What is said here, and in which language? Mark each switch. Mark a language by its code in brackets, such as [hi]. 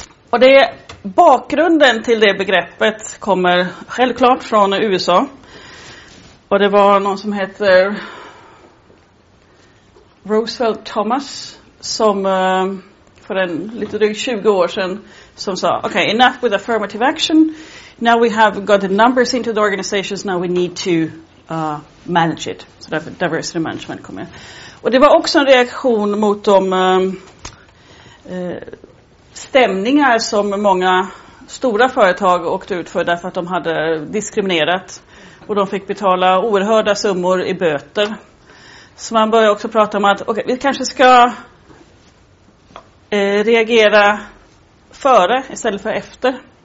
[sv] Och det är bakgrunden till det begreppet kommer självklart från USA. Och det var någon som heter Roosevelt Thomas som för en lite drygt 20 år sedan som sa, [en] okay, enough with affirmative action. Now we have got the numbers into the organizations, now we need to manage it. [sv] Så därför diversity management kom in. Och det var också en reaktion mot de stämningar som många stora företag åkte ut för därför att de hade diskriminerat. Och de fick betala oerhörda summor i böter. Så man började också prata om att okay, vi kanske ska reagera före istället för efter.